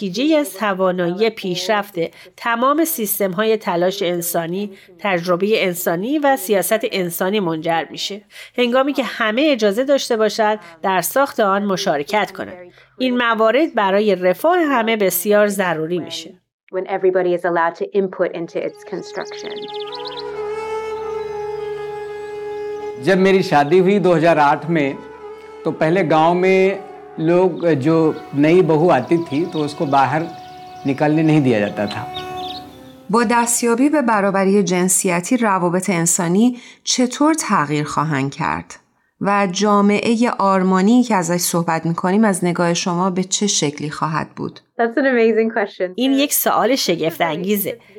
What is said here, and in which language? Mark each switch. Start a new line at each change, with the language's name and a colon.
Persian: نتیجه از توانایی پیشرفت تمام سیستم‌های تلاش انسانی، تجربه انسانی و سیاست انسانی منجر میشه. هنگامی که همه اجازه داشته باشند در ساخت آن مشارکت کنند. این موارد برای رفاه همه بسیار ضروری میشه.
English: When everybody is allowed to input into its construction.
Urdu: جب میری شادی ہوئی 2008 میں تو پہلے گاؤں میں لوگ جو نئی بہو آتی تھی تو اس کو باہر نکلنے نہیں دیا جاتا تھا.
Persian: با دستیابی به برابری جنسیتی روابط انسانی چطور تغییر خواهند کرد؟ و جامعه آرمانی که ازش صحبت میکنیم از نگاه شما به چه شکلی خواهد بود؟ این یک سوال شگفت انگیزه.